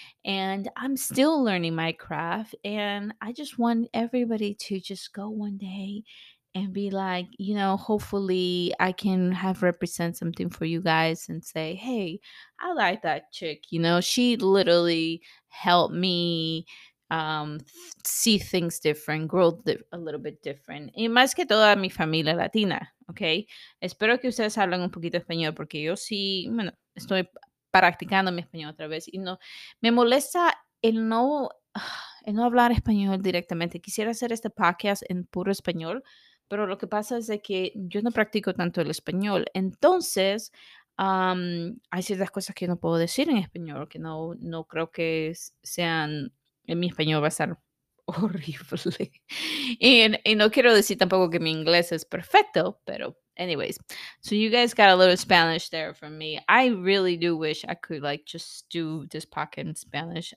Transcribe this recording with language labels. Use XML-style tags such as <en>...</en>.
<en>And I'm still learning my craft. And I just want everybody to just go one day and be like, you know, hopefully I can have represent something for you guys and say, hey, I like that chick. You know, she literally helped me see things different, grow a little bit different.</en> <es>Y más que toda mi familia latina, okay? Espero que ustedes hablen un poquito español porque yo sí, bueno, estoy practicando mi español otra vez. Y no, me molesta el no hablar español directamente. Quisiera hacer este podcast en puro español. Pero lo que pasa es de que yo no practico tanto el español. Entonces, hay ciertas cosas que yo no puedo decir en español, que no creo que sean, en mi español va a estar horrible. Y no quiero decir tampoco que mi inglés es perfecto, pero anyways.</es> <en>So you guys got a little Spanish there from me. I really do wish I could like just do this podcast in Spanish.</en>